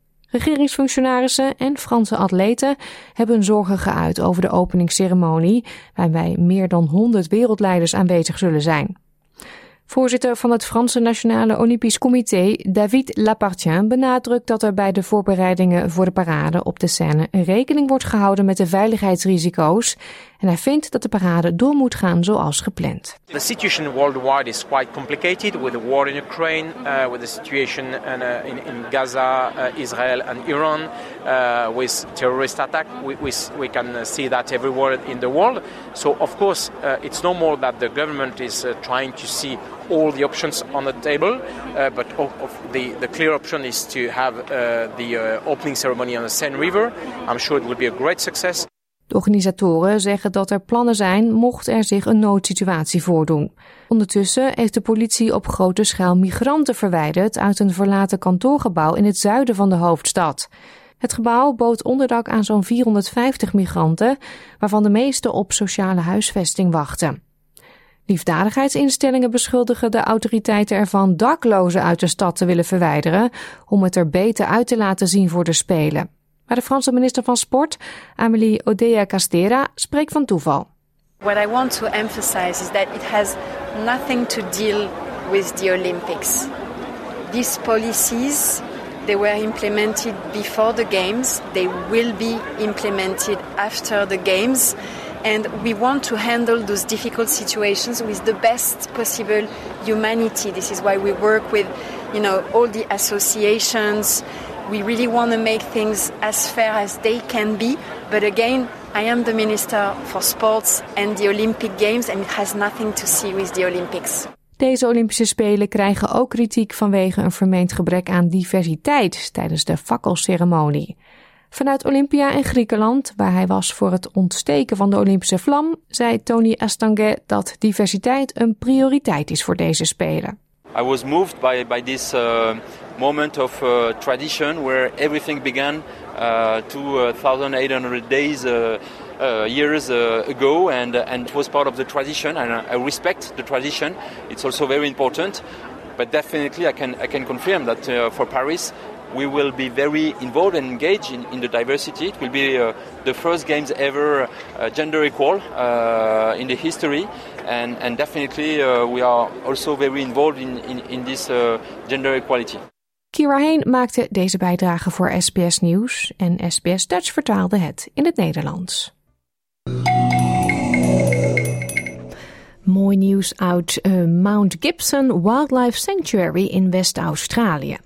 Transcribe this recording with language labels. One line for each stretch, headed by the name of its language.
Dutch: Regeringsfunctionarissen en Franse atleten hebben zorgen geuit over de openingsceremonie, waarbij meer dan 100 wereldleiders aanwezig zullen zijn. Voorzitter van het Franse Nationale Olympisch Comité, David Lapartien, benadrukt dat er bij de voorbereidingen voor de parade op de Seine rekening wordt gehouden met de veiligheidsrisico's. En hij vindt dat de parade door moet gaan zoals gepland.
English: The situation worldwide is quite complicated with the war in Ukraine, with the situation in Gaza, Israel and Iran, with terrorist attack. We can see that everywhere in the world. So of course it's normal that the government is trying to see all the options on the table, but the clear option is to have the opening ceremony on the Seine River. I'm sure it will be a great success.
Dutch: De organisatoren zeggen dat er plannen zijn mocht er zich een noodsituatie voordoen. Ondertussen heeft de politie op grote schaal migranten verwijderd uit een verlaten kantoorgebouw in het zuiden van de hoofdstad. Het gebouw bood onderdak aan zo'n 450 migranten, waarvan de meeste op sociale huisvesting wachten. Liefdadigheidsinstellingen beschuldigen de autoriteiten ervan daklozen uit de stad te willen verwijderen om het er beter uit te laten zien voor de Spelen. Maar de Franse minister van Sport, Amélie Oudéa-Castéra, spreekt van toeval.
English: What I want to emphasize is that it has nothing to deal with the Olympics. These policies, they were implemented before the games. They will be implemented after the games. And we want to handle those difficult situations with the best possible humanity. This is why we work with, you know, all the associations. We really want to make things as fair as they can be. But again, I am the minister for sports and the Olympic Games and it has nothing to see with the Olympics.
Dutch: Deze Olympische Spelen krijgen ook kritiek vanwege een vermeend gebrek aan diversiteit tijdens de fakkelceremonie. Vanuit Olympia in Griekenland, waar hij was voor het ontsteken van de Olympische vlam, zei Tony Astanget dat diversiteit een prioriteit is voor deze Spelen.
English: I was moved by this moment of tradition where everything began 2,800 years ago, and it was part of the tradition, and I respect the tradition. It's also very important, but definitely I can confirm that for Paris we will be very involved and engaged in the diversity. It will be the first games ever gender equal in the history. And definitely we are also very involved in this gender equality.
Dutch: Kira Heen maakte deze bijdrage voor SBS Nieuws en SBS Dutch vertaalde het in het Nederlands. Mooi nieuws uit Mount Gibson Wildlife Sanctuary in West-Australië.